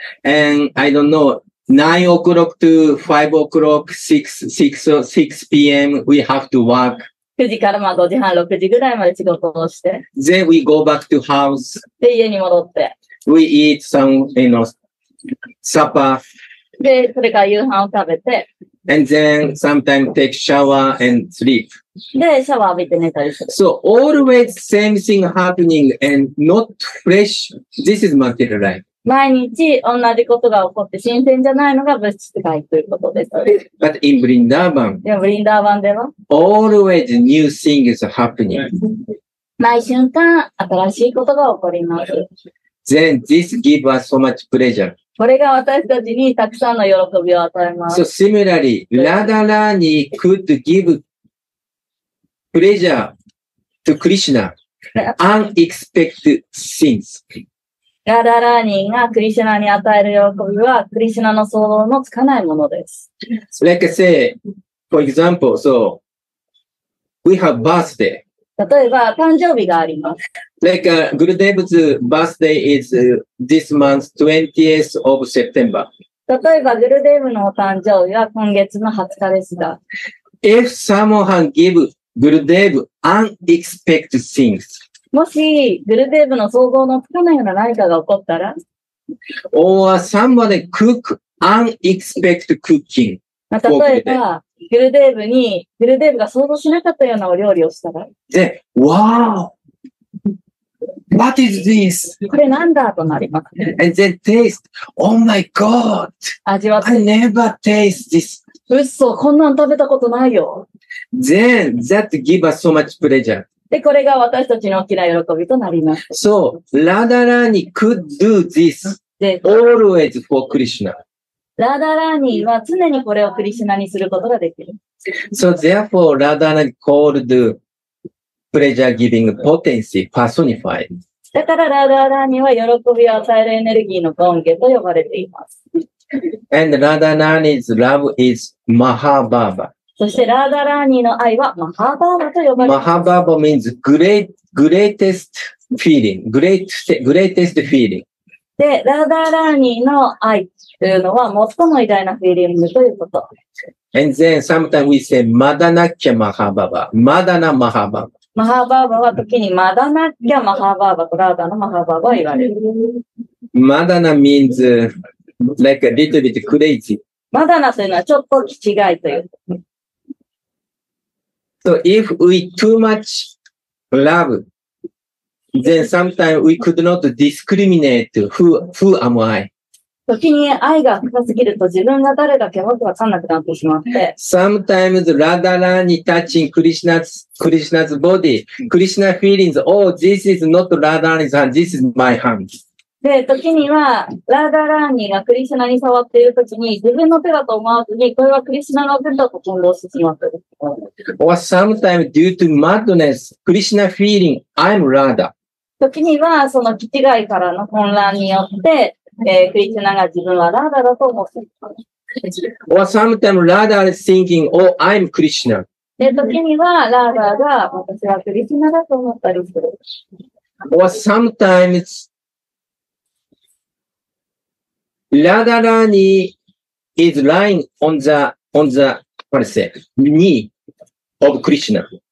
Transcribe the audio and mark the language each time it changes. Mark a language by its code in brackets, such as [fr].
[en] And I don't know, 9 o'clock to 5 o'clock, 6pm, we have to work. [ja] 9時からまあ5時半、6時ぐらいまで仕事をして。 [en] Then we go back to house. [ja] で、家に戻って。 [en] We eat some, you know, supper. [ja] で、それから夕飯を食べて。 [en] And then sometimes take shower and sleep. [ja] で、シャワー浴びて寝たりする。 [en] So always same thing happening and not fresh. This is material life. [ja] 毎日同じことが起こって新鮮じゃないのが物質界ということです。 [en] But in Vrindavan. [ja] でも、Vrindavan では。 [en] Always new thing is happening. [ja] 毎瞬間新しいことが起こります。 [en] Then this gives us so much pleasure. [ja] これが私たちにたくさんの喜びを与えます。 [en] So similarly, Radharani could give pleasure to Krishna unexpected things. [ja] Radharani がクリシナに与える喜びはクリシナの想像のつかないものです。 [en] Like I say, for example, so we have birthday. [ja] 例えば、誕生日があります。 [en] Like, Gurudev's birthday is this month's 20th of September. [ja] 例えば、Gurudev のお誕生日は今月の20日ですが。 [en] If someone give Gurudev unexpected things. [ja] もし、Gurudev の想像のつかないような何かが起こったら。 [en] Or somebody cook unexpected cooking. [ja] まあ、例えば、グルデーブに、グルデーブが想像しなかったようなお料理をしたら。 [en] で、Wow! What is this? [ja] これなんだとなります、 [en] ね。And then taste. Oh my god! [ja] 味わって。 [en] I never taste this. [ja] 嘘、こんなん食べたことないよ。 [en] Then, that give us so much pleasure. [ja] で、これが私たちの大きな喜びとなります。 [en] So, Radharani could do this always for Krishna. [ja] ラダラーニーは常にこれをクリシュナにすることができる。 [en] So therefore, ラダラーニー called pleasure giving potency personified. [ja] だからラダラーニーは喜びを与えるエネルギーの権化と呼ばれています。 [en] And ラダラーニー's love is Mahabhava. [ja] そしてラダラーニーの愛はマハバーバと呼ばれます。 [en] Mahabhava means greatest feeling, greatest feeling. [ja] で、ラダラーニーの愛というのは最も偉大なフィーリングということ。 [en] And then sometimes we say, マダナッキャマハバーバ。マダナマハバーバ。 [ja] マハバーバは時にマダナッキャマハバーバとラダナマハバーバは言われる。 [en] マダナ means like a little bit crazy. [ja] マダナというのはちょっと気違いという。 [en] So if we too much love,Then sometimes we could not discriminate who am I. [ja] 時に愛が深すぎると自分が誰だかよくわかんなくなってしまって。 [en] Sometimes Radharani touching Krishna's body, Krishna feelings, oh, this is not Radharani's hand, this is my hand. [ja] で、時には、ラーダーラーニーがクリシナに触っている時に、自分の手だと思わずに、これはクリシナの手だと混同してしまっている。 [en] Or sometimes due to madness, Krishna feeling, I'm Radha. [ja] 時には、その気違いからの混乱によって、クリシナが自分はラーダだと思っている。 [en] Or sometimes Radha is thinking, oh, I'm Krishna. [ja] で、時には、ラーダが私はクリシナだと思ったりする。 [en] Or sometimes,Radharani is lying on the, what is it, knee of Krishna.